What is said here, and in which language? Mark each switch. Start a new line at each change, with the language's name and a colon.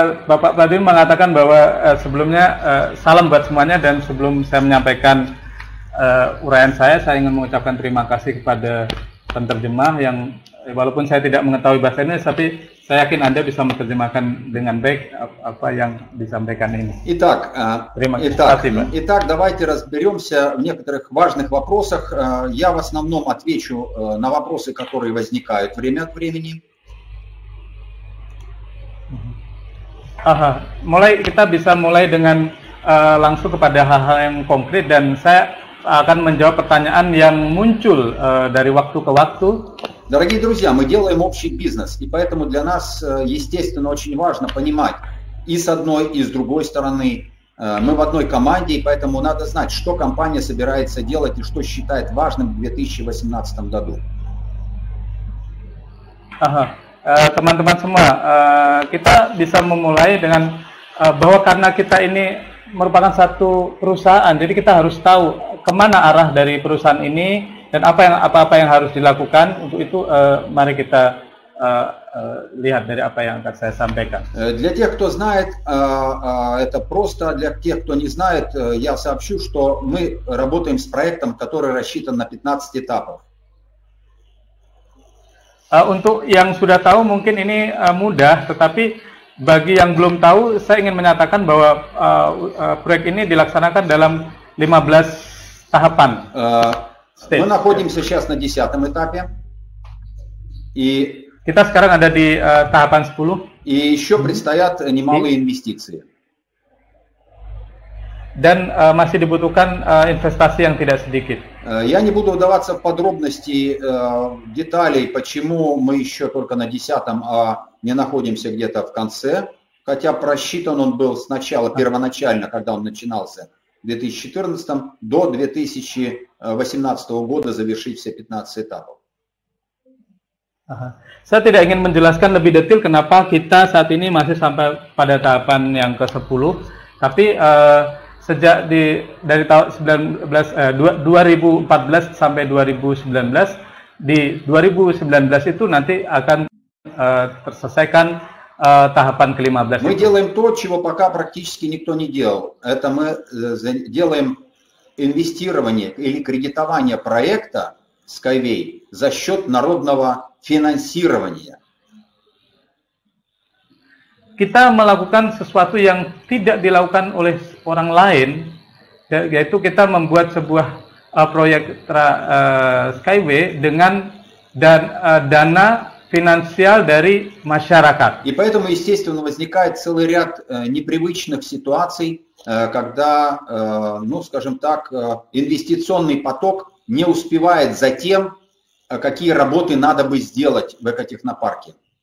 Indonesian: Bapak tadi mengatakan bahwa sebelumnya salam buat semuanya dan sebelum saya menyampaikan uraian saya ingin mengucapkan terima kasih kepada penerjemah yang walaupun saya tidak mengetahui bahasa ini, tapi saya yakin Anda bisa menerjemahkan dengan baik apa yang disampaikan ini.
Russian: Итак,
Indonesian: terima kasih.
Russian: Итак, давайте разберемся в некоторых важных вопросах. Я в основном отвечу на вопросы, которые возникают время от времени.
Indonesian: Aha, mulai kita bisa mulai dengan langsung kepada hal-hal yang konkret dan saya akan menjawab pertanyaan yang muncul dari waktu ke waktu.
Russian: Дорогие друзья, мы делаем общий бизнес, и поэтому для нас, естественно, очень важно понимать и с одной, и с другой стороны. Мы в одной команде, и поэтому надо знать, что компания собирается делать и что считает важным в 2018 году. Ага.
Indonesian: Teman-teman semua, kita bisa memulai dengan bahwa karena kita ini merupakan satu perusahaan, jadi kita harus tahu kemana arah dari perusahaan ini dan apa-apa yang harus dilakukan. Untuk itu, mari kita lihat dari apa yang akan saya sampaikan.
Russian: Для тех, кто знает, это просто. Для тех, кто не знает, я сообщу, что мы работаем с проектом, который рассчитан на 15 этапов.
Indonesian: Untuk yang sudah tahu mungkin ini mudah, tetapi bagi yang belum tahu, saya ingin menyatakan bahwa proyek ini dilaksanakan dalam 15 tahapan.
Russian: Мы находимся сейчас на 10-м этапе. И
Indonesian: kita sekarang ada di tahapan 10.
Russian: И еще предстоят немалые инвестиции.
Indonesian: Dan masih dibutuhkan investasi yang tidak sedikit.
Russian: Я не буду вдаваться в подробности деталей, почему мы еще только на 10-м, а не находимся где-то в конце, хотя просчитан он был сначала, первоначально, когда он начинался, в 2014-м, до 2018 года завершить все 15 этапов. Ага.
Indonesian: Saya tidak ingin menjelaskan lebih detail kenapa kita saat ini masih sampai pada tahapan yang ke-10, tapi sejak dari tahun 2014 sampai 2019, di 2019 itu nanti akan terselesaikan tahapan ke-15.
Russian: Мы делаем то, чего пока практически никто не делал. Это мы делаем инвестирование или кредитование проекта Skyway за счет народного финансирования.
Indonesian: Kita melakukan sesuatu yang tidak dilakukan oleh orang lain, yaitu kita membuat sebuah proyek Skyway dengan dana finansial dari masyarakat.
Russian: И поэтому, естественно, возникает целый ряд непривычных ситуаций, когда, ну, скажем так, инвестиционный поток не успевает за тем, какие работы надо бы сделать в экотехнопарке.